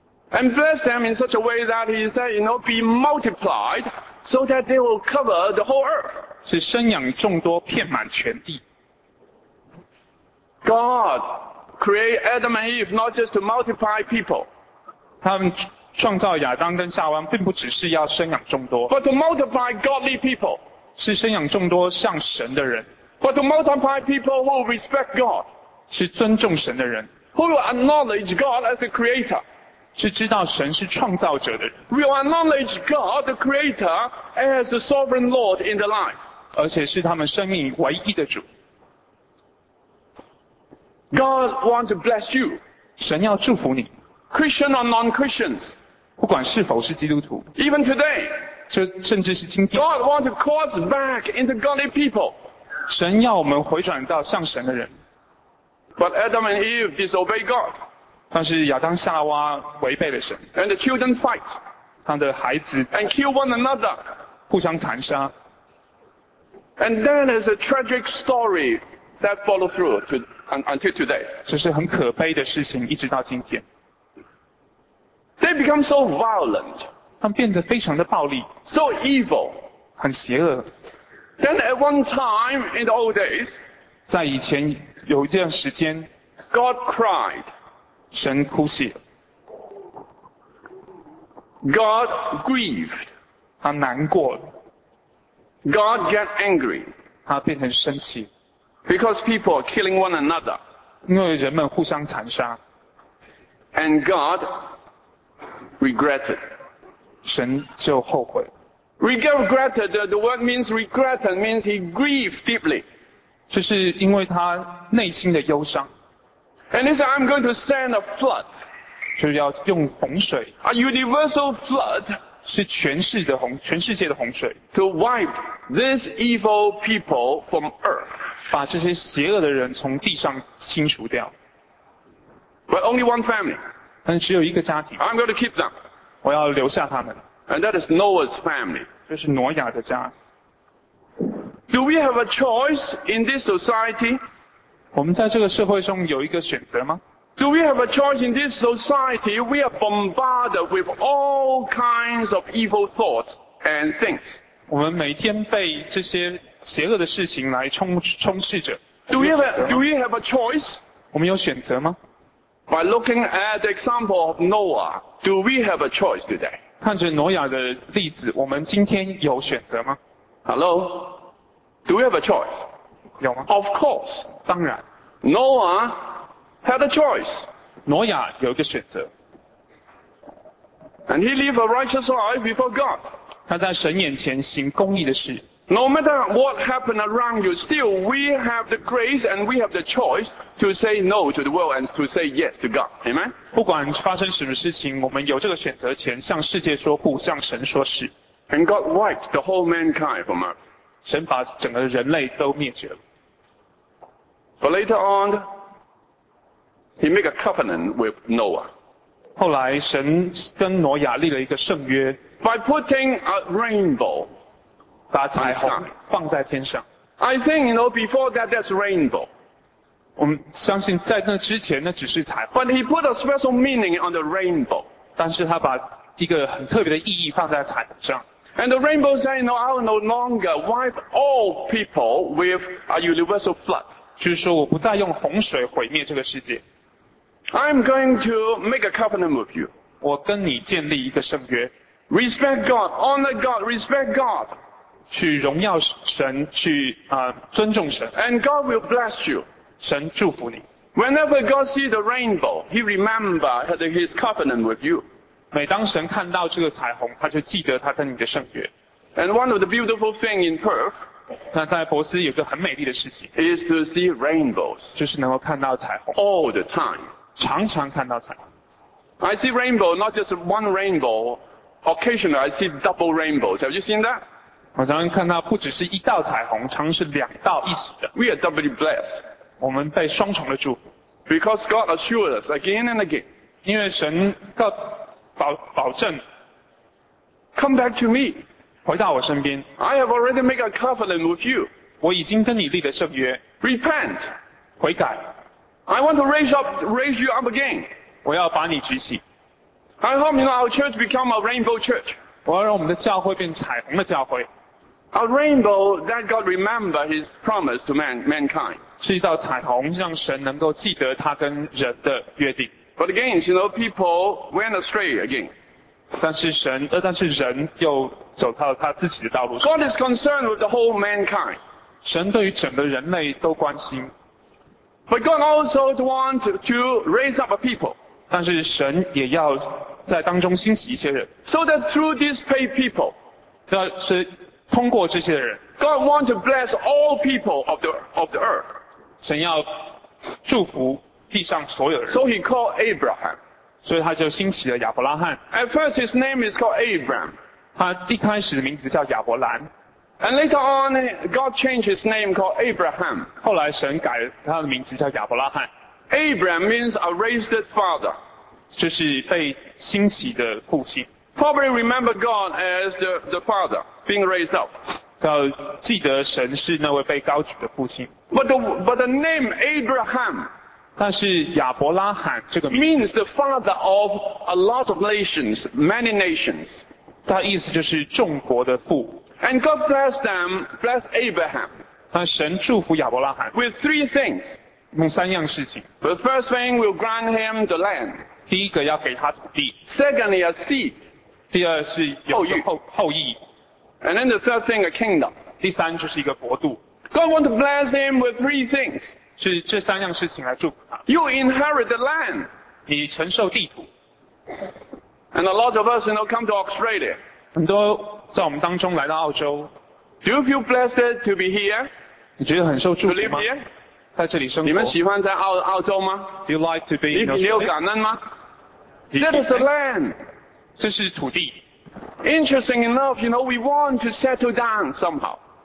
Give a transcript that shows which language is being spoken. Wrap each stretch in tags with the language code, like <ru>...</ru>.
<en>And bless them in such a way that he said, you know, be multiplied so that they will cover the whole earth.</en> <zh>是生养众多，遍满全地。</zh> <en>God created Adam and Eve not just to multiply people.</en> <zh>他们创造亚当跟夏娃，并不只是要生养众多。</zh> <en>But to multiply godly people.</en> <zh>是生养众多像神的人。</zh> <en>But to multiply people who respect God.</en> <zh>是尊重神的人。</zh> <en>Who will acknowledge God as the creator.</en> <zh>是知道神是创造者的人。</zh> <en>We will acknowledge God, the Creator, as the Sovereign Lord in the life.</en> <zh>而且是他们生命唯一的主。</zh> <en>God wants to bless you.</en> <zh>神要祝福你。</zh> <en>Christian or non-Christians.</en> <zh>不管是否是基督徒。</zh> <en>Even today.</en> <zh>就甚至是今天。</zh> <en>God wants to call us back into godly people.</en> <zh>神要我们回转到像神的人。</zh> <en>But Adam and Eve disobeyed God.</en> <zh>但是亚当夏娃违背了神。</zh> <en>And the children fight.</en> <zh>他的孩子。</zh> <en>And kill one another.</en> <zh>互相残杀。</zh> <en>And then is a tragic story that follow through to, until today.</en> <zh>这是很可悲的事情，一直到今天。</zh> <en>They become so violent.</en> <zh>他们变得非常的暴力。</zh> <en>So evil.</en> <zh>很邪恶。</zh> <en>Then at one time in the old days,</en> <zh>在以前有一段时间，</zh> <en>God cried.</en> <zh>神哭泣了。</zh> <en>God grieved.</en> <zh>他难过了。</zh> <en>God get angry.</en> <zh>他变成生气。</zh> <en>Because people are killing one another.</en> <zh>因为人们互相残杀。</zh> <en>And God regretted.</en> <zh>神就后悔。</zh> <en>Regretted, the word means regretted, means he grieved deeply.</en> <zh>就是因为他内心的忧伤。</zh> <en>And he said, I'm going to send a flood.</en> <zh>就是要用洪水。</zh> <en>A universal flood.</en> <zh>是全世界的洪，全世界的洪水。</zh> <en>To wipe this evil people from earth.</en> <zh>把这些邪恶的人从地上清除掉。</zh> <en>But only one family.</en> <zh>但只有一个家庭。</zh> <en>I'm going to keep them.</en> <zh>我要留下他们。</zh> <en>And that is Noah's family.</en> <zh>这是挪亚的家。</zh> <en>Do we have a choice in this society?</en> <zh>我们在这个社会中有一个选择吗？</zh> <en>Do we have a choice in this society? We are bombarded with all kinds of evil thoughts and things.</en> <zh>我们每天被这些邪恶的事情来充斥着。</zh> <en>Do we have a choice?</en> <zh>我们有选择吗？</zh> <en>By looking at the example of Noah, do we have a choice today?</en> <zh>看着挪亚的例子，我们今天有选择吗？</zh> <en>Hello? Do we have a choice?</en> <zh>有吗？</zh> <en>Of course.</en> <zh>当然。</zh> <en>Noah,had a choice.</en> <zh>挪亚有一个选择。</zh> <en>And he lived a righteous life before God.</en> <zh>他在神眼前行公义的事。</zh> <en>No matter what happened around you, still we have the grace and we have the choice to say no to the world and to say yes to God. Amen?</en> <zh>不管发生什么事情，我们有这个选择权，向世界说不，向神说是。</zh> <en>And God wiped the whole mankind from earth.</en> <zh>神把整个人类都灭绝了。</zh> <en>But later on,He made a covenant with Noah.</en> <zh>后来神跟挪亚立了一个圣约。</zh> <en>By putting a rainbow,</en> <zh>把彩虹放在天上。</zh> <en>I think, you know, before that, that's rainbow.</en> <zh>我们相信在那之前那只是彩虹。</zh> <en>But he put a special meaning on the rainbow.</en> <zh>但是他把一个很特别的意义放在彩虹上。</zh> <en>And the rainbow said, you know, I will no longer wipe all people with a universal flood.</en> <zh>就是说我不再用洪水毁灭这个世界。</zh> <en>I'm going to make a covenant with you.</en> <zh>我跟你建立一个圣约。</zh> <en>Respect God, honor God, respect God.</en> <zh>去荣耀神，去尊重神。</zh> <en>And God will bless you.</en> <zh>神祝福你。</zh> <en>Whenever God sees the rainbow, He remembers His covenant with you.</en> <zh>每当神看到这个彩虹，他就记得他跟你的圣约。</zh> <en>And one of the beautiful things in Perth,</en> <zh>那在珀斯有个很美丽的事情。</zh> <en>Is to see rainbows.</en> <zh>就是能够看到彩虹。</zh> <en>All the time.</en> <zh>常常看到彩虹。</zh> <en>I see rainbow, not just one rainbow. Occasionally, I see double rainbows. Have you seen that?</en> <zh>我常常看到不只是一道彩虹，常常是两道一起的。</zh> <en>We are doubly blessed.</en> <zh>我们被双重的祝福。</zh> <en>Because God assured us again and again.</en> <zh>因为神保证。</zh> <en>Come back to me.</en> <zh>回到我身边。</zh> <en>I have already made a covenant with you.</en> <zh>我已经跟你立了圣约。</zh> <en>Repent.</en> <zh>悔改。</zh> <en>I want to raise you up again.</en> <zh>我要把你举起。</zh> <en>I hope you know our church become a rainbow church.</en> <zh>我要让我们的教会变彩虹的教会。</zh> <en>A rainbow that God remember His promise to mankind.</en> <zh>是一道彩虹，让神能够记得他跟人的约定。</zh> <en>But again, you know, people went astray again.</en> <zh>但是人又走到他自己的道路上。</zh> <en>God is concerned with the whole mankind.</en> <zh>神对于整个人类都关心。</zh> <en>But God also wants to raise up a people.</en> <zh>但是神也要在当中兴起一些人。</zh> <en>So that through these paid people,</en> <zh>要是通过这些人，</zh> <en>God wants to bless all people of the earth.</en> <zh>神要祝福地上所有的人。</zh> <en>So he called Abraham.</en> <zh>所以他就兴起了亚伯拉罕。</zh> <en>At first his name is called Abraham.</en> <zh>他一开始的名字叫亚伯兰。</zh> <en>And later on, God changed his name called Abraham.</en> <zh>后来神改了他的名字叫亚伯拉罕。</zh> <en>Abraham means a raised father.</en> <zh>就是被兴起的父亲。</zh> <en>Probably remember God as the father being raised up.</en> <zh>要记得神是那位被高举的父亲。</zh> <en>But the name Abraham.</en> <zh>但是亚伯拉罕这个名字。</zh> <en>Means the father of a lot of nations, many nations.</en> <zh>他意思就是众国的父。</zh> <en>And God blessed them, blessed Abraham.</en> <zh>但神祝福亚伯拉罕。</zh> <en>With three things.</en> <zh>用三样事情。</zh> <en>The first thing will grant him the land.</en> <zh>第一个要给他土地。</zh> <en>Secondly, a seed.</en> <zh>第二是有一个后裔。</zh> <en>And then the third thing, a kingdom.</en> <zh>第三就是一个国度。</zh> <en>God wants to bless him with three things.</en> <zh>是这三样事情来祝福他。</zh> <en>You inherit the land.</en> <zh>你承受地土。</zh> <en>And a lot of us, you know, come to Australia.</en> <zh>很多在我们当中来到澳洲。</zh> <en>Do you feel blessed to be here?</en> <zh>你觉得很受祝福吗</zh> <en>?To live here?</en> <zh>在这里生活。你们喜欢在澳洲吗</zh> <en>?Do you like to be in Australia?</en> <zh>你有感恩吗</zh> <en>?That is the land.</en> <zh>这是土地。</zh> <en>Interesting enough, you know, we want to settle down somehow.</en>